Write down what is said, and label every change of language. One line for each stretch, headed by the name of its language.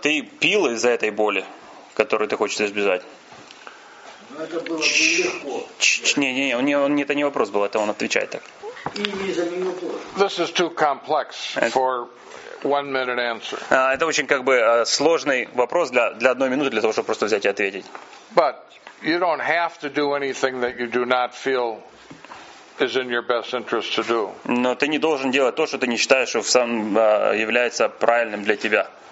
Russian: Ты пил из-за этой боли, которую ты хочешь избежать? Ну, это было легко. Не, это не вопрос был, это он отвечает так. И из-за нее тоже.
English: This is too complex for... One minute answer.
Russian: Это очень как бы сложный вопрос для одной минуты, для того, чтобы просто взять и ответить.
English: But you don't have to do anything that you do not feel is in your best interest to do.
Russian: Но ты не должен делать то, что ты не считаешь, что является правильным для тебя.